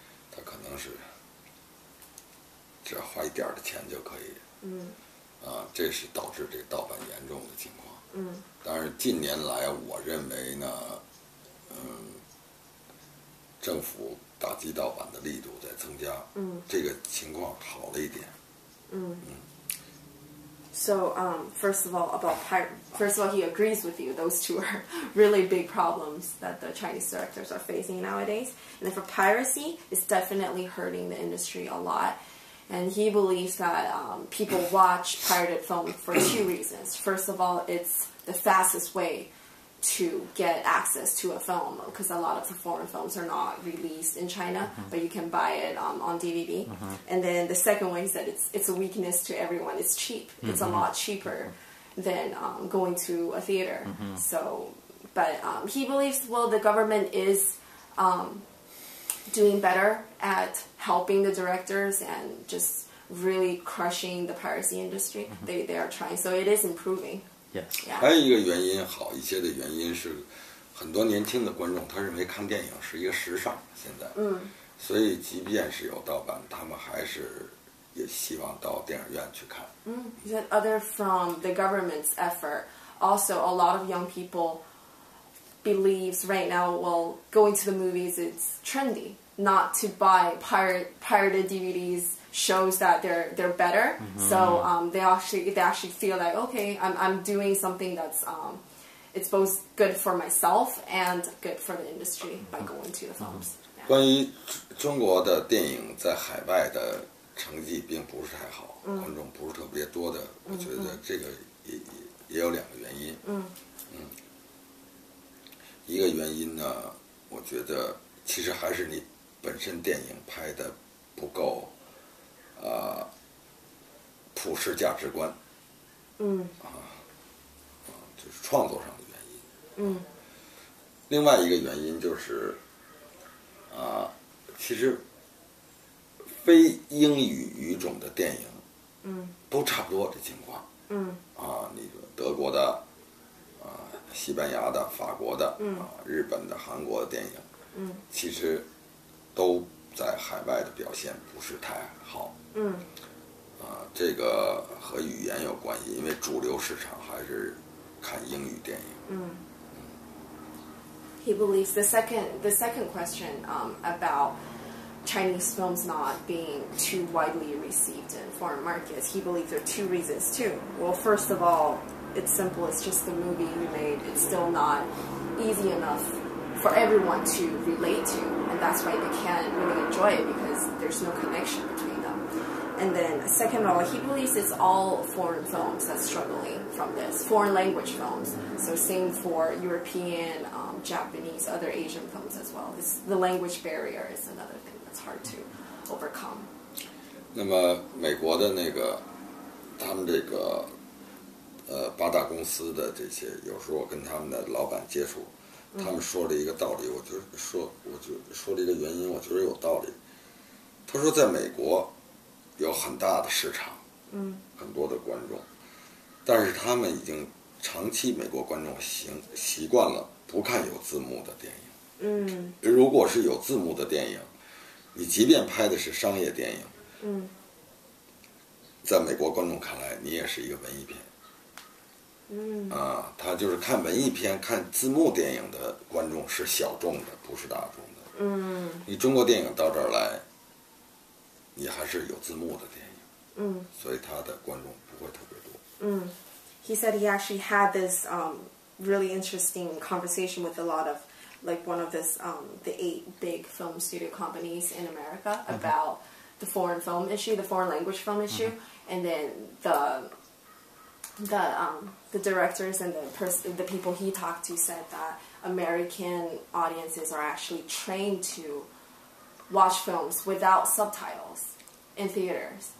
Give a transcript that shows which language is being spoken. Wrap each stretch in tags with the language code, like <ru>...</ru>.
<zh>他可能是只要花一点的钱就可以。嗯，啊，这是导致这盗版严重的情况。嗯，但是近年来，我认为呢，嗯，政府打击盗版的力度在增加。嗯，这个情况好了一点。嗯。</zh> <en>So, first of all, about pirate, first of all, he agrees with you. Those two are really big problems that the Chinese directors are facing nowadays. And then for piracy, it's definitely hurting the industry a lot. And he believes that people watch pirated film for two reasons. First of all, it's the fastest way to get access to a film, because a lot of the foreign films are not released in China, mm-hmm. but you can buy it on DVD. Mm-hmm. And then the second one is that it's a weakness to everyone. It's cheap. Mm-hmm. It's a lot cheaper than going to a theater. Mm-hmm. So, but he believes, well, the government is doing better at helping the directors and just really crushing the piracy industry. Mm-hmm. They are trying. So it is improving. Yes.</en> <zh>还有一个原因，好一些的原因是，很多年轻的观众他认为看电影是一个时尚，现在，嗯，所以即便是有盗版，他们还是也希望到电影院去看。</zh> <en>嗯 ，that other from the government's effort, also a lot of young people believes right now, well, going to the movies it's trendy, not to buy pirated DVDs. Shows that they're better, mm-hmm. so they actually feel like okay, I'm doing something that's it's both good for myself and good for the industry by going to the films.、Mm-hmm.</en> <zh>关于中国的电影在海外的成绩并不是太好， mm-hmm. 观众不是特别多的，我觉得这个也有两个原因。 Mm-hmm. 嗯，一个原因呢，我觉得其实还是你本身电影拍的不够。普世价值观，嗯，啊，就是创作上的原因，嗯，另外一个原因就是，其实非英语语种的电影，嗯，都差不多这情况，嗯，啊，你说德国的，西班牙的、法国的，嗯，日本的、韩国的电影，嗯，其实都在海外的表现不是太好。嗯，这个和语言有关系，因为主流市场还是看英语电影。嗯。</zh> <en>He believes the second question about Chinese films not being too widely received in foreign markets. He believes there are two reasons too. Well, first of all, it's simple. It's just the movie we made. It's still not easy enough for everyone to relate to, and that's why they can't really enjoy it because there's no connection between. And then, second of all, he believes it's all foreign films that's struggling from this, foreign language films. So same for European, Japanese, other Asian films as well. It's, the language barrier is another thing that's hard to overcome.</en> <zh>那么美国的那个，他们这个，八大公司的这些，有时候我跟他们的老板接触，他们说了一个道理，我就说了一个原因，我觉得有道理。他说在美国。有很大的市场，嗯，很多的观众，但是他们已经长期美国观众习惯了不看有字幕的电影，嗯，如果是有字幕的电影，你即便拍的是商业电影，嗯，在美国观众看来你也是一个文艺片，啊，他就是看文艺片、看字幕电影的观众是小众的，不是大众的。嗯，你中国电影到这儿来，你还是有字幕的电影。嗯，所以他的观众不会特别多。</zh> <en>嗯 ，He said he actually had this really interesting conversation with a lot of like one of this the 8 big film studio companies in America about、 mm-hmm. the foreign film issue, the foreign language film issue,、 mm-hmm. and then the directors and the people he talked to said that American audiences are actually trained to watch films without subtitles in theaters.、</en>